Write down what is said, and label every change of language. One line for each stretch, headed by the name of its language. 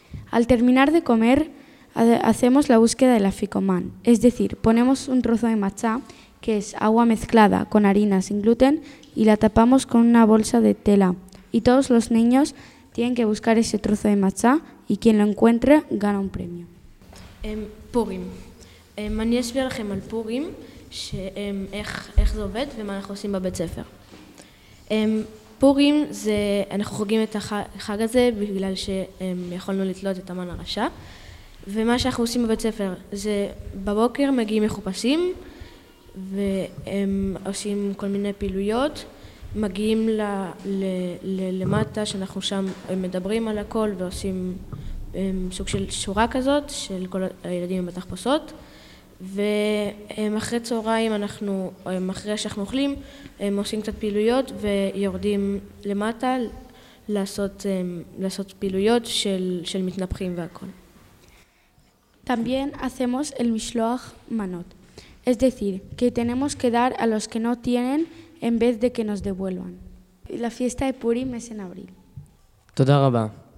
Spanish: Al terminar de comer, hacemos la búsqueda del afikoman, es decir, ponemos un trozo de matzá, que es agua mezclada con harina sin gluten, y la tapamos con una bolsa de tela. Y todos los niños tienen que buscar ese trozo de matzá y quien lo encuentre gana un premio. Purim.
Hebrew: Ani esbir lachem al Purim, איך זה עובד ומה אנחנו עושים בבית ספר. Purim, אנחנו חוגגים את החג הזה בגלל שיכולנו לתלות את המן הרשע. ומה שאנחנו עושים בבית ספר זה בבוקר מגיעים מחופשים, והם עושים כל מיני פעילויות, מגיעים למטה שאנחנו שם מדברים על הכל ועושים סוג של שורה כזאת של כל הילדים עם התחפושות, ואחרי צהריים אנחנו, אחרי שאנחנו אוכלים, הם עושים קצת פעילויות ויורדים למטה לעשות פעילויות של מתנפחים והכל.
Spanish: También hacemos el mishloach manot. Es decir, que tenemos que dar a los que no tienen en vez de que nos devuelvan. La fiesta de Purim es en abril.
Hebrew: Toda rabá.